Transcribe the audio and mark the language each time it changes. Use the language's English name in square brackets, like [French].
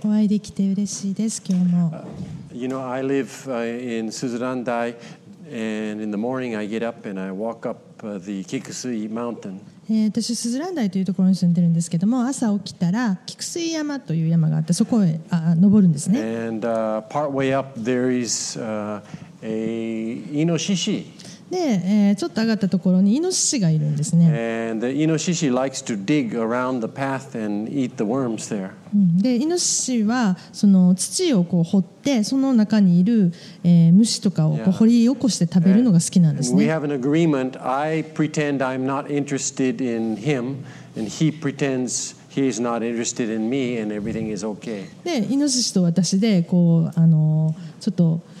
[Japanese] お会いできて嬉しいです、今日も。 [English] You know, I live in Suzurandai, and in the morning I get up and I walk up the Kikusui Mountain. [Japanese] 私、スズランダイというところに住んでるんですけども、朝起きたら、キクスイ山という山があって、そこへ登るんですね。 [English] And partway up there is a Inoshishi. [Japanese] でちょっと上がったところにイノシシがいるんですね。 [English] And the イノシシ likes to dig around the path and eat the worms there. [Japanese] でイノシシはその土をこう掘ってその中にいる、虫とかをこう掘り起こして食べるのが好きなんですね。 [English] We have an agreement. I pretend I'm not interested in him, and he pretends he's not interested in me, and everything is okay. [Japanese] でイノシシと私でこうちょっと。